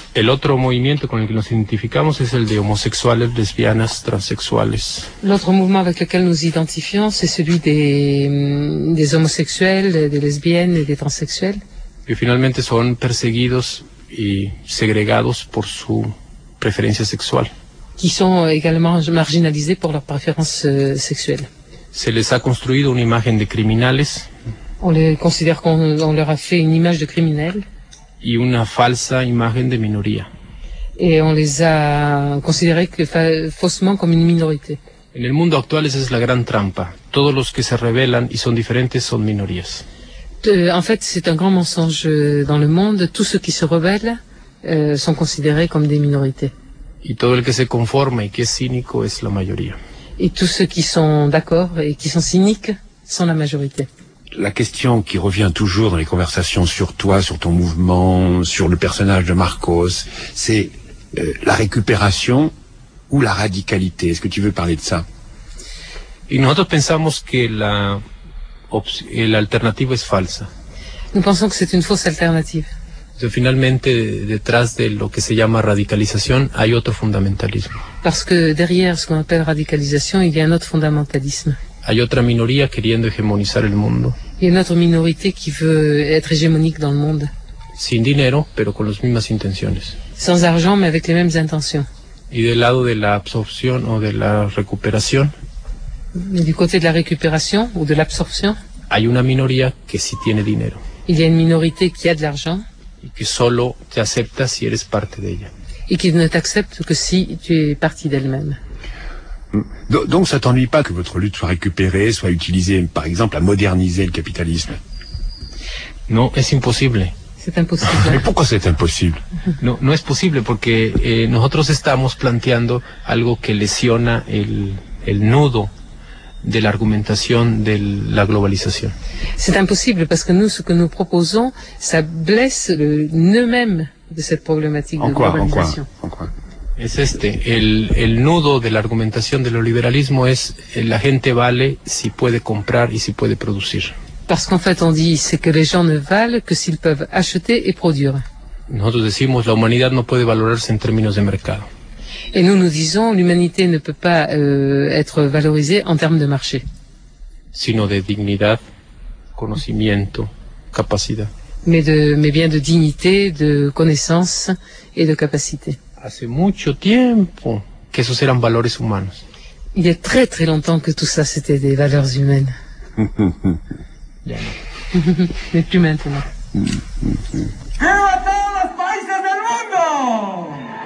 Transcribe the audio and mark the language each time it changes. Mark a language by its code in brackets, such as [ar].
[es] El otro movimiento con el que nos identificamos es el de homosexuales, lesbianas, transexuales. [fr] L'autre mouvement avec lequel nous identifions, c'est celui des homosexuels, des lesbiennes et des transsexuels. [es] Y finalmente son perseguidos y segregados por su preferencia sexual. [fr] Qui sont également marginalisés pour leur préférence sexuelle. [es] Se les ha construido una imagen de criminales. [fr] On les considère qu'on leur a fait une image de criminels. [es] Y una falsa imagen de minoría. [fr] Et on les a considérés que faussement comme une minorité. [es] En el mundo actual esa es la gran trampa. Todos los que se rebelan y son diferentes son minorías. [fr] En fait, c'est un grand mensonge dans le monde. Tous ceux qui se rebellent sont considérés comme des minorités. [es] Y todo el que se conforma y que es cínico es la mayoría. [fr] Et tous ceux qui sont d'accord et qui sont cyniques sont la majorité. La question qui revient toujours dans les conversations sur toi, sur ton mouvement, sur le personnage de Marcos, c'est la récupération ou la radicalité. Est-ce que tu veux parler de ça? [es] Y nosotros pensamos que la alternativa es falsa. [fr] Nous pensons que c'est une fausse alternative. [es] Entonces, finalmente, detrás de lo que se llama radicalización, hay otro fundamentalismo. [fr] Parce que derrière ce qu'on appelle radicalisation, il y a un autre fundamentalisme. [es] Hay otra minoría queriendo hegemonizar el mundo. Y hay otra minoría que quiere ser hegemónica en el mundo. sin dinero, pero con las mismas intenciones. [fr] Sans argent, mais avec les mêmes intentions. [es] Y del lado de la absorción o de la recuperación. [fr] Du côté de la récupération ou de l'absorption. [es] Hay una minoría que sí tiene dinero. [fr] Il y a une minorité qui a de l'argent. [es] Y que solo te acepta si eres parte de ella. [fr] Et qui ne t'accepte que si tu es partie d'elle-même. Donc ça t'ennuie pas que votre lutte soit récupérée, soit utilisée, par exemple, à moderniser le capitalisme. [es] Non, es imposible. [fr] C'est impossible. Mais pourquoi c'est impossible? [es] Non, no es posible porque nosotros estamos planteando algo que lesiona el nudo de l'argumentación de la globalización. [fr] C'est impossible parce que nous, ce que nous proposons, ça blesse le nœud même de cette problématique en de quoi, globalisation. En quoi? En quoi? [es] Es este, el nudo de la argumentación del neoliberalismo es la gente vale si puede comprar y si puede producir. [fr] Parce qu'en fait on dit c'est que les gens ne valent que s'ils peuvent acheter et produire. [es] Nosotros decimos la humanidad no puede valorarse en términos de mercado. [fr] Et nous disons l'humanité ne peut pas être valorisée en termes de marché. [es] Sino de dignidad, conocimiento, capacidad. [fr] Mais bien de dignité, de connaissance et de capacité. [es] Hace mucho tiempo que esos eran valores humanos. [fr] Il y a très très longtemps que tout ça c'était des valeurs humaines. [es] Ya no. [fr] Mais plus maintenant. [es] ¡Viva todos los países del mundo!